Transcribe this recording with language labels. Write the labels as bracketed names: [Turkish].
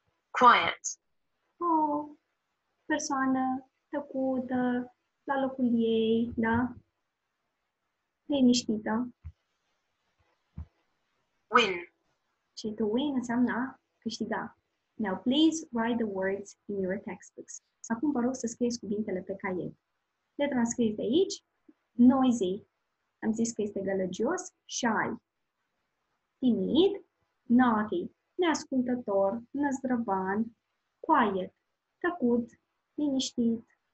[English] Quiet. [Romanian] Oh, persoană tăcută, la locul ei, da? Liniștită. [English] Win. [Romanian] Și to win înseamnă câștiga. [English] Now, please write the words in your textbooks. [Romanian] Acum vă rog să scrieți cuvintele pe caiet. Le transcrieți de aici. Noisy. Am zis că este gălăgios. Shy. Timid. Naughty. Neascultător. Năzdrăvan. Quiet. Tăcut. Liniștit.